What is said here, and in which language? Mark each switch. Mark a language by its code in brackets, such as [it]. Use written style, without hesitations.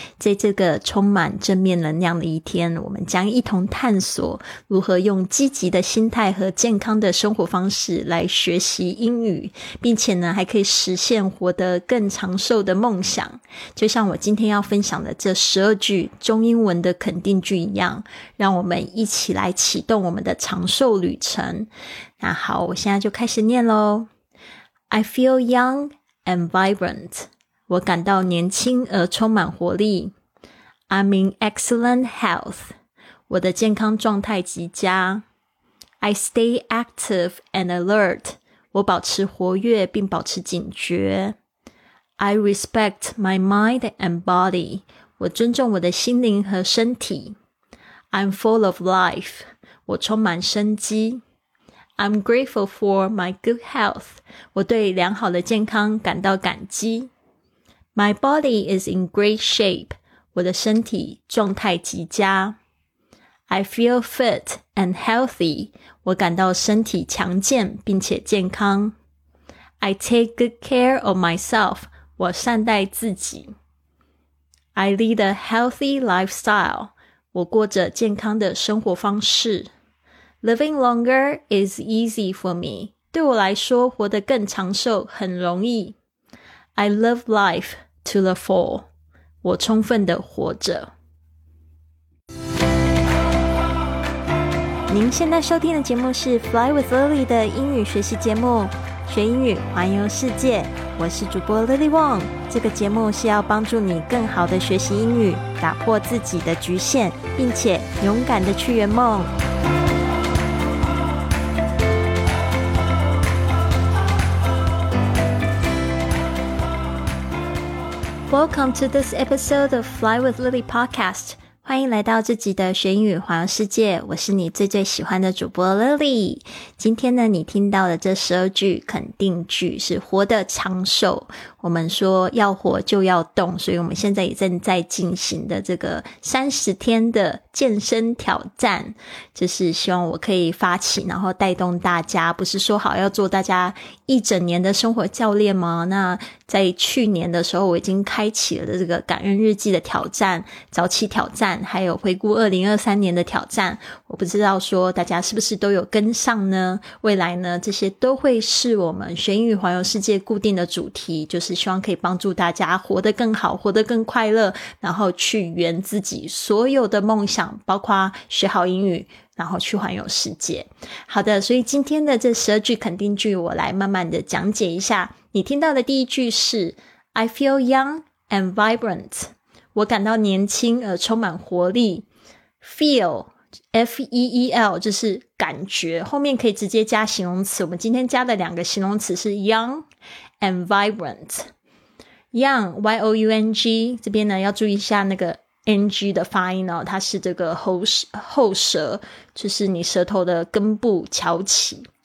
[zh] 在这个充满正面能量的一天，我们将一同探索如何用积极的心态和健康的生活方式来学习英语，并且呢，还可以实现活得更长寿的梦想。就像我今天要分享的这12句中英文的肯定句一样，让我们一起来启动我们的长寿旅程。那好，我现在就开始念咯。 [en] I feel young and vibrant. [zh] 我感到年轻而充满活力。 [en] I'm in excellent health. [zh] 我的健康状态极佳。 [en] I stay active and alert. [zh] 我保持活跃并保持警觉。 [en] I respect my mind and body. [zh] 我尊重我的心灵和身体。 [en] I'm full of life. [zh] 我充满生机。 [en] I'm grateful for my good health. [zh] 我对良好的健康感到感激。 [en] My body is in great shape. [zh] 我的身体状态极佳。 [en] I feel fit and healthy. [zh] 我感到身体强健并且健康。 [en] I take good care of myself. [zh] 我善待自己。 [en] I lead a healthy lifestyle. [zh] 我过着健康的生活方式。 [en] Living longer is easy for me. [zh] 对我来说，活得更长寿很容易。 [en] I love life to the full. [zh] 我充分地活着。您现在收听的节目是 Fly with Lily 的英语学习节目，学英语，环游世界。我是主播 Lily Wong。这个节目是要帮助你更好地学习英语，打破自己的局限，并且勇敢地去圆梦。 [en] Welcome to this episode of Fly with Lily podcast. [zh] 欢迎来到这集的学英语环游世界，我是你最最喜欢的主播 Lily。今天呢，你听到的这12句肯定句是活得长寿。我们说要活就要动，所以我们现在也正在进行的这个30天的健身挑战，就是希望我可以发起，然后带动大家，不是说好要做大家一整年的生活教练吗？那在去年的时候，我已经开启了这个感恩日记的挑战、早起挑战，还有回顾2023年的挑战。我不知道说大家是不是都有跟上呢？未来呢，这些都会是我们学英语环游世界固定的主题，就是希望可以帮助大家活得更好，活得更快乐，然后去圆自己所有的梦想，包括学好英语，然后去环游世界。好的，所以今天的这12句肯定句，我来慢慢的讲解一下。你听到的第一句是 [en] I feel young and vibrant. [zh] 我感到年轻而充满活力。Feel, F-E-E-L, 就是感觉，后面可以直接加形容词。我们今天加的两个形容词是 [en] young and vibrant. [zh] Young, Y-O-U-N-G, 这边呢要注意一下那个NG 的发音哦，它是这个后舌，就是你舌头的根部翘起。